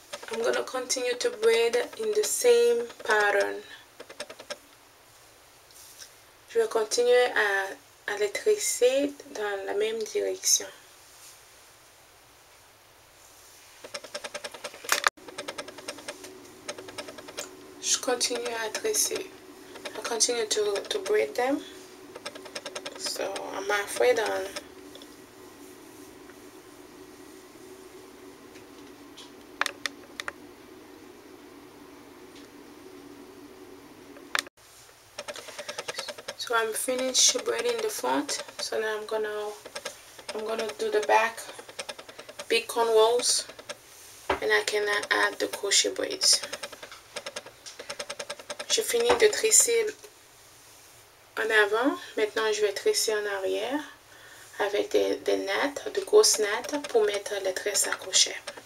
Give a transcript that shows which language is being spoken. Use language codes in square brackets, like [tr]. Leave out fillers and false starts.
[en] I'm gonna continue to braid in the same pattern. [fr] Je vais continuer à les tresser dans la même direction. Je continue à tresser. [en] I continue to braid them. So I'm halfway done. So I'm finished braiding the front, so now I'm gonna do the back, big cornrows, and I can add the crochet braids. [fr] J'ai fini de tresser en avant, maintenant je vais tresser en arrière avec des nattes, de grosses nattes pour mettre les tresses à crochet.